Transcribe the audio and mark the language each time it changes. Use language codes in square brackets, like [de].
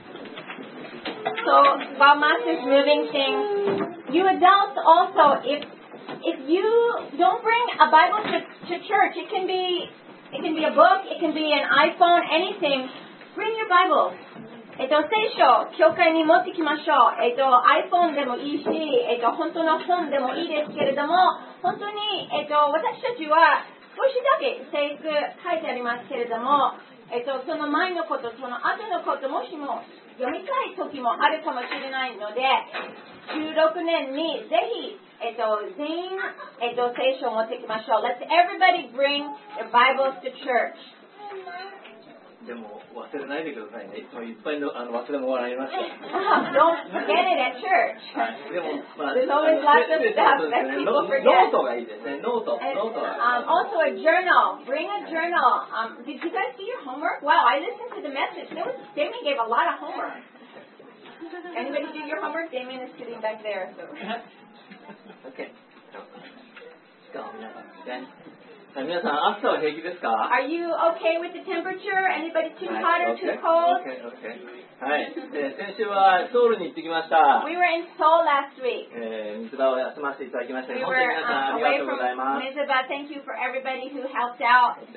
[en] So, Bamas is moving things. You adults also, if you don't bring a Bible to church, it can be a book, it can be an iPhone, anything, bring your Bible. [ja] 聖書、教会に持ってきましょう。iPhone でもいいし、本当の本でもいいですけれども、本当に、私たちは少しだけ聖句書いてありますけれども、その前のこと、その後のこと、もしも読みたい時もあるかもしれないので、16年にぜひ、全員、聖書を持ってきましょう。 [en] Let everybody bring their Bibles to church. [ja] でも忘れないでくださいね。いつもいっぱいの、忘れ物がありました。 [en] Don't forget it at church. [ja] でも、まあ、 [en] there's always lots of stuff that people forget. [ja] ノートがいいですね。ノート。ノートが。 [en] Also a journal. Bring a journal. Did you guys do your homework? Wow, I listened to the message. Demi gave a lot of homework. Anybody do your homework? Damien is sitting back there. So. [ja] Okay. 皆さん、暑さは平気ですか? [en] Are you okay with the temperature? Anybody too hot or too cold? Okay. [ja] 先週はソウルに行ってきました。 [en] We were in Seoul last week. [ja] 水場を休ませていただきました。本当に皆さん、ありがとうございます。 [en] Away from Mizuba, thank you for everybody who helped out.